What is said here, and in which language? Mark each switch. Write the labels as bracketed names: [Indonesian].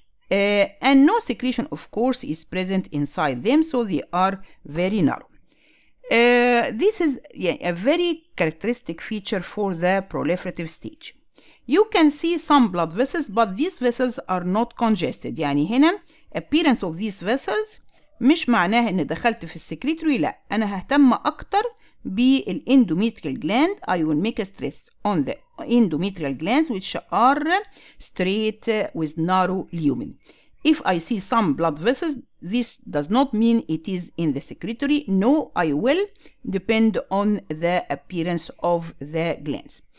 [English] And no secretion, of course, is present inside them, so they are very narrow. This is a very characteristic feature for the proliferative stage. You can see some blood vessels, but these vessels are not congested. [Arabic] يعني هنا [English] appearance of these vessels [Arabic] مش معناه ان دخلت في السكريتوري. لا, انا ههتم اكتر بالإندوميتريال gland. [English] I will make a stress on the endometrial glands which are straight with narrow lumen. If I see some blood vessels, this does not mean it is in the secretory. No, I will depend on the appearance of the glands.